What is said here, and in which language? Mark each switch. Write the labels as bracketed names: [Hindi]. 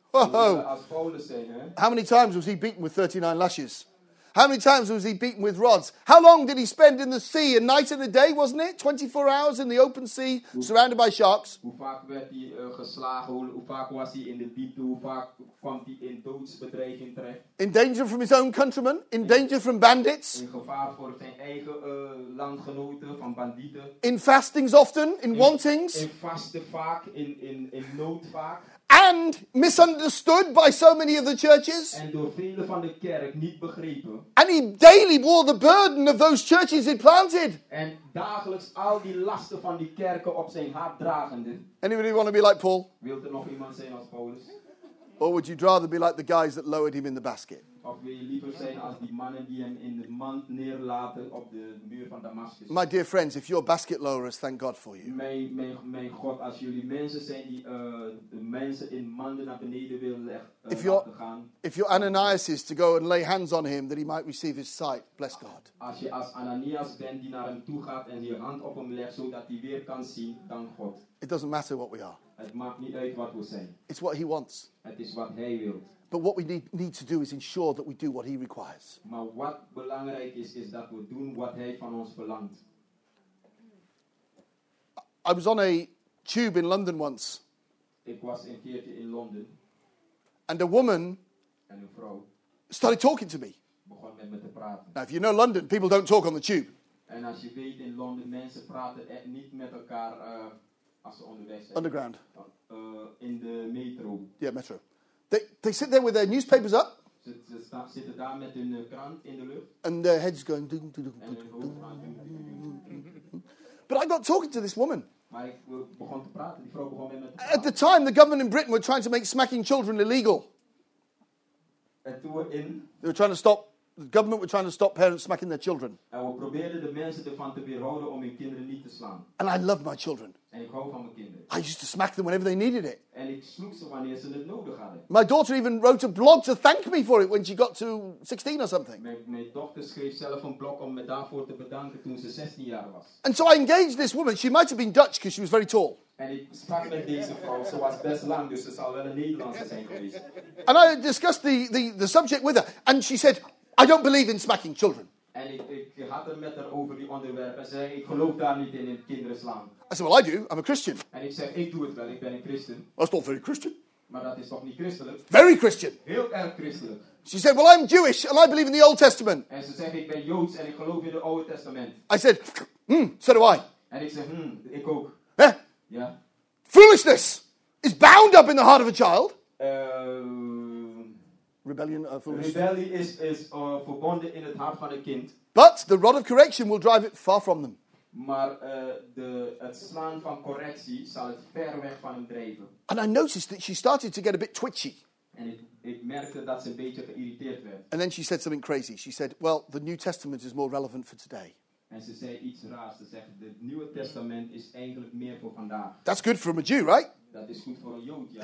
[English] How many times was he beaten with 39 lashes? How many times was he beaten with rods? How long did he spend in the sea? A night and a day, wasn't it? 24 hours in the open sea, surrounded by sharks. [Dutch] Hoe vaak werd hij geslagen? Hoe vaak was hij in de diepte? Hoe vaak kwam hij in doodsbedreiging terecht? [English] In danger from his own countrymen? In danger from bandits? [Dutch] In gevaar voor zijn eigen landgenoten, van bandieten? [English] In fastings often? In wantings? [Dutch] In vasten vaak? In nood vaak? [English] And misunderstood by so many of the churches. [Dutch] En door vele van de kerk niet begrepen. [English] And he daily bore the burden of those churches he planted. [Dutch] En dagelijks al die lasten van die kerken op zijn hart dragende. [English] Anybody want to be like Paul? [Dutch] Wilt er nog iemand zijn als Paulus? [English] Or would you rather be like the guys that lowered him in the basket? [Dutch] Of wil je liever zijn als die mannen die hem in de mand neerlaten op de muur van Damascus? [English] My dear friends, if you're basket lowerers, thank God for you. [Dutch] Mijn God, als jullie mensen zijn die de mensen in manden naar beneden willen laten gaan. [English] If you're Ananias is to go and lay hands on him that he might receive his sight, bless God. [Dutch] Als je als Ananias bent die naar hem toe gaat en je hand op hem legt zodat hij weer kan zien, dank God. [English] It doesn't matter what we are. [Dutch] Het maakt niet uit wat we zijn. [English] It's what he wants. [Dutch] Het is wat hij wil. [English] But what we need to do is ensure that we do what he requires. [Dutch] Maar wat belangrijk is dat we doen wat hij van ons verlangt. [English] I was on a tube in London once. [Dutch] Ik was een keertje in Londen. [English] And a woman [Dutch] en een vrouw [English] started talking to me. [Dutch] Begon met me te praten. [English] Now, if you know London, people don't talk on the tube. [Dutch] En als je weet in Londen, mensen praten niet met elkaar als ze onderweg zijn. [English] Underground. [Dutch] In de metro. [English] Yeah, metro. They sit there with their newspapers up. [Dutch] Zitten daar met hun krant in de lucht. [English] And their heads going. Dum, dum, dum, dum, dum. But I got talking to this woman. [Dutch] Maar ik begon te praten. Die vrouw begon met me te praten. [English] At the time, the government in Britain were trying to make smacking children illegal. They were trying to stop. The government were trying to stop parents smacking their children. [Dutch] En we probeerden de mensen ervan te weerhouden om hun kinderen niet te slaan. [English] And I love my children. [Dutch] En ik hou van mijn kinderen. [English] I used to smack them whenever they needed it. [Dutch] En ik sloeg ze wanneer ze het nodig hadden. [English] My daughter even wrote a blog to thank me for it when she got to 16 or something. [Dutch] Mijn dochter schreef zelf een blog om me daarvoor te bedanken toen ze 16 jaar was. [English] And so I engaged this woman. She might have been Dutch because she was very tall. [Dutch] En ik sprak met deze vrouw. Ze was best lang, dus ze zal wel een Nederlandse zijn geweest. [English] And I discussed the subject with her. And she said, I don't believe in smacking children. [Dutch] En ik had het met haar over die onderwerp en zei, ik geloof daar niet in kinderen slaan. [English] I said, well, I do. I'm a Christian. [Dutch] En ik zeg, ik doe het wel. Ik ben een Christen. [English] That's not very Christian. [Dutch] Maar dat is toch niet christelijk? [English] Very Christian. [Dutch] Heel erg christelijk. [English] She said, well, I'm Jewish and I believe in the Old Testament. [Dutch] En ze zegt, ik ben Joods en ik geloof in het Oude Testament. [English] I said, so do I. [Dutch] En ik zeg, ik ook. Hè? Huh? Ja. [English] Foolishness is bound up in the heart of a child. Rebellion, foolishness. [Dutch] Rebellion is verbonden in het hart van een kind. [English] But the rod of correction will drive it far from them. [Dutch] Maar het slaan van correctie zal het ver weg van hem drijven. [English] And I noticed that she started to get a bit twitchy. [Dutch] En ik merkte dat ze een beetje geïrriteerd werd. [English] And then she said something crazy. She said, well, the New Testament is more relevant for today. [Dutch] En ze zei iets raars. Ze zegt, het Nieuwe Testament is eigenlijk meer voor vandaag. [English] That's good for a Jew, right? [Dutch] Dat is goed voor een Jood, ja.